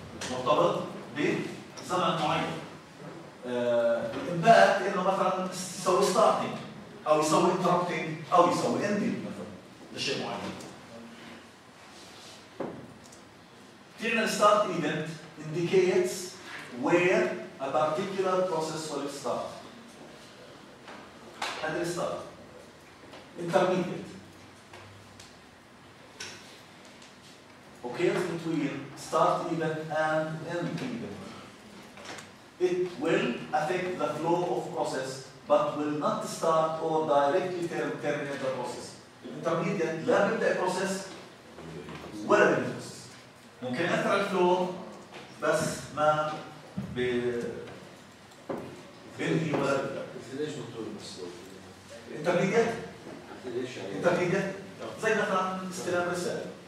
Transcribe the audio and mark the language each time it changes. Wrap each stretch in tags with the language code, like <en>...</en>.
<ar>مرتبط بزمن معين. الامباكت انه مثلا يسوي ستارتنج او يسوي انتربتنج او يسوي اندنج مثلا لشيء معين. في عندنا</ar> <en>Start event indicates where a particular process will start.</en> <ar>هذا الستارت.</ar> <en>Intermediate occurs between start event and end event. It will affect the flow of process but will not start or directly terminate the process.</en> <ar>الانترميديت لا بيبدا البروسيس ولا بينهي البروسيس. ممكن يأثر على الفلو بس ما بينهي ولا بيبدا. ليش دكتور بس؟ الانترميديت؟ ليش يعني؟ الانترميديت زي مثلا استلام رسالة.</ar>